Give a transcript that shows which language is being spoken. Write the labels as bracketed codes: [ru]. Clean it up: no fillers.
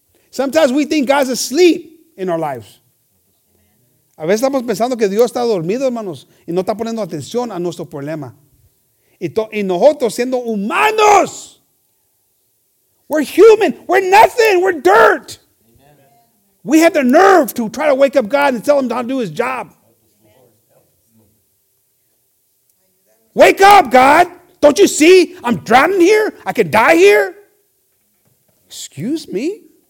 [en] Sometimes we think God's asleep in our lives. [es] A veces estamos pensando que Dios está dormido, hermanos, y no está poniendo atención a nuestro problema. Y nosotros siendo humanos, [en] We're human. We're nothing. We're dirt. Amen. We had the nerve to try to wake up God and tell him how to do his job. Amen. Wake up, God. Don't you see? I'm drowning here. I could die here. Excuse me?